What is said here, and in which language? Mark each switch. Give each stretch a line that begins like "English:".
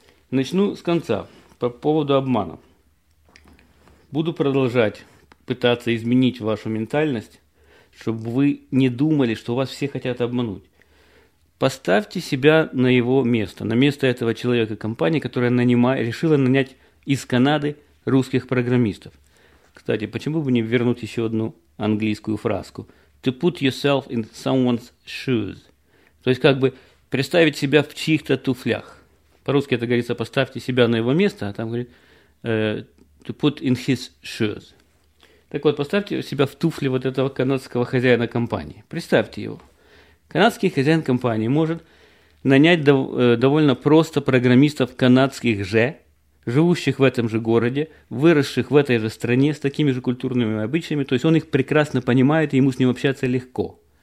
Russian: Начну с конца, по поводу обмана. Буду продолжать пытаться изменить вашу ментальность, чтобы вы не думали, что вас все хотят обмануть. Поставьте себя на его место, на место этого человека компании, которая решила нанять из Канады русских программистов. Кстати, почему бы не вернуть еще одну английскую фразку?
English: To put yourself in someone's shoes.
Russian: То есть как бы представить себя в чьих-то туфлях. По-русски это говорится, поставьте себя на его место, а там говорит
English: to put in his shoes.
Russian: Так вот, поставьте себя в туфли вот этого канадского хозяина компании. Представьте его. Канадский хозяин компании может нанять довольно просто программистов канадских же, живущих в этом же городе, выросших в этой же стране с такими же культурными обычаями, то есть он их прекрасно понимает, и ему с ним общаться легко.